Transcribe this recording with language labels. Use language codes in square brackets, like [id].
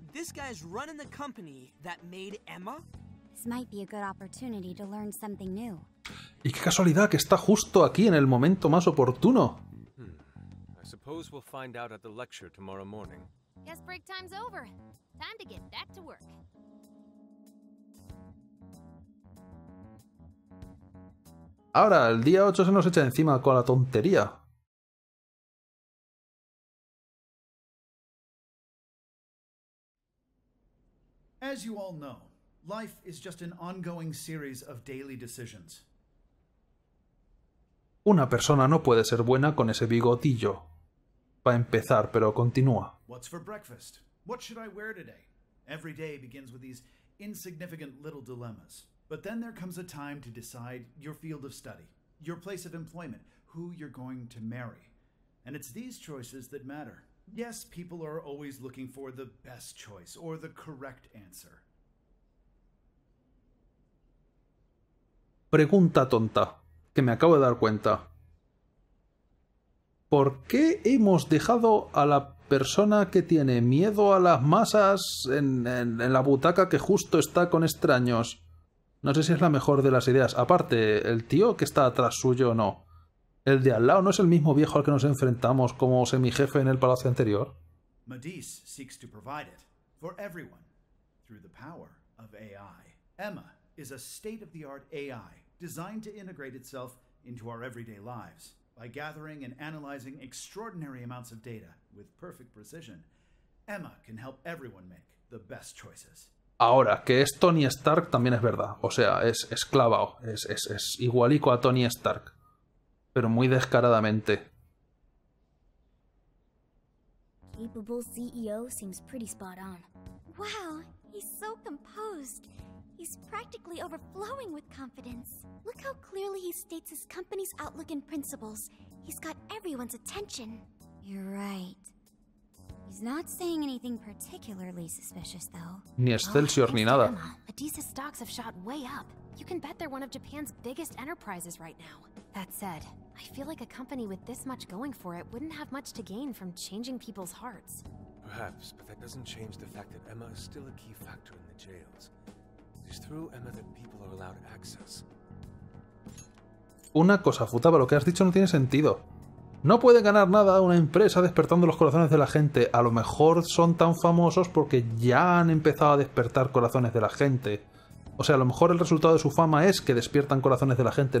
[en] This guy's running the company that made Emma. This might be a good opportunity to learn something new. [es] Y qué casualidad que está justo aquí en el momento más oportuno. [en] I suppose we'll find out at the lecture tomorrow morning. Guess break time's over. Time to get back to work. [es] Ahora, el día 8 se nos echa encima con la tontería. [en] As you all know, life is just an ongoing series of daily decisions. [es] Una persona no puede ser buena con ese bigotillo. Para empezar, pero continúa. [en] What's for breakfast? What should I wear today? Every day begins with these insignificant little dilemmas. But then there comes a time to decide your field of study, your place of employment, who you're going to marry. And it's these choices that matter. Yes, people are always looking for the best choice or the correct answer. [es] Pregunta tonta, que me acabo de dar cuenta. ¿Por qué hemos dejado a la persona que tiene miedo a las masas en la butaca que justo está con extraños? No sé si es la mejor de las ideas. Aparte, el tío que está atrás suyo, no. ¿El de al lado no es el mismo viejo al que nos enfrentamos como semijefe en el palacio anterior? [en] Madis seeks to provide it for everyone through the power of AI. Emma is a state-of-the-art AI designed to integrate itself into our everyday lives. By gathering and analyzing extraordinary amounts of data with perfect precision, Emma can help everyone make the best choices. [es] Ahora, que es Tony Stark también es verdad. O sea, es esclavao. Es igualico a Tony Stark. Pero muy descaradamente. [en] Capable CEO seems pretty spot on. Wow, he's so composed. He's practically overflowing with confidence. Look how clearly he states his company's outlook and principles. He's got everyone's attention. You're right. He's not saying anything particularly suspicious, though. [es] Ni Excelsior, ni nada. [en] Adisa's stocks have shot way up. You can bet they're one of Japan's biggest enterprises right now. That said, I feel like a company with this much going for it wouldn't have much to gain from changing people's hearts. Perhaps, but that doesn't change the fact that Emma is still a key factor in the jails. Through Emma that people are allowed access. [es] Una cosa, Futaba, lo que has dicho no tiene sentido. No puede ganar nada una empresa despertando los corazones de la gente. A lo mejor son tan famosos porque ya han empezado a despertar corazones de la gente. O sea, a lo mejor el resultado de su fama es que despiertan corazones de la gente.